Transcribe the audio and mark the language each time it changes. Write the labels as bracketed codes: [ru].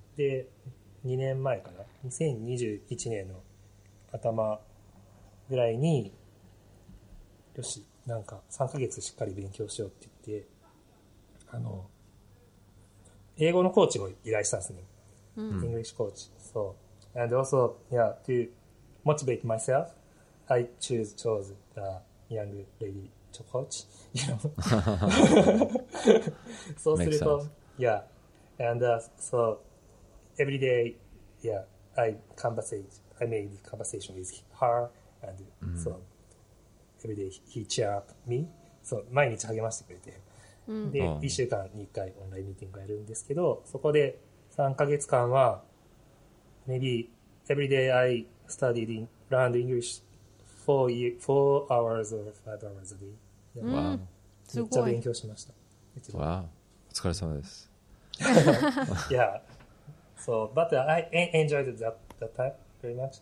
[ja] で、2年前かな、2021年の頭ぐらいに、よし、なんか3ヶ月しっかり勉強しようって言って、英語のコーチを依頼したんですね。 [en] English coach. So, and also, yeah, to motivate myself, I chose the young lady to coach, you know. So, makes sense. Yeah. And, so, every day, yeah, I made conversation with her, and、mm. so, every day he cheer up me. [ja] So, 毎日励ましてくれて。 Mm. で、1週間に1回オンラインミーティングやるんですけど、そこで、3ヶ月間は、 [en] maybe every day I studied in, learned English four hours or 5 hours a day. Yeah. Wow. [ja] めっちゃ勉強しました。 Wow. お疲れ様です。 [en] Yeah. So, but I enjoyed that time very much.、